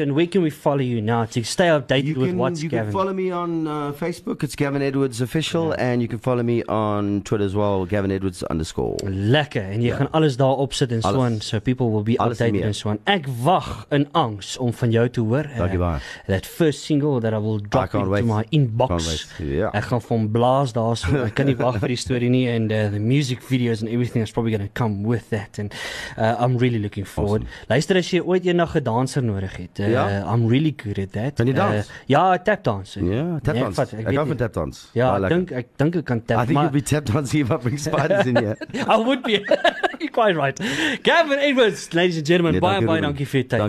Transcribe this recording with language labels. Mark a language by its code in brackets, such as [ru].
[en] And where can we follow you now to stay updated with what's you Gavin? You can follow me on Facebook. It's Gavin Edwards Official. Yeah. And you can follow me on Twitter as well, GavinEdwards_. Lekker. And you can [af] alles daar opsit [en] and so on. So people will be updated and so on. [af] Ek wag in angst om van jou te hoor. Dankie baie. [en] That first single that I will drop into my inbox. Yeah. [af] Ek gaan van blaas daar so. Ek kan nie wag vir die story nie [en] and the music videos and everything is probably going to come with that and I'm really looking forward. Awesome. [af] Luister as jy ooit eendag 'n danser nodig het. [en] I'm really good at that. [af] Kan jy dans? Ja, tap dance. Ek kan tap dans. Ja, ek dink ek kan tap. [en] I think you'll be tap dancing if I bring spiders in here. I would be. You're quite right. Gavin Edwards, ladies and gentlemen, bye, [af] dankie vir jou tyd.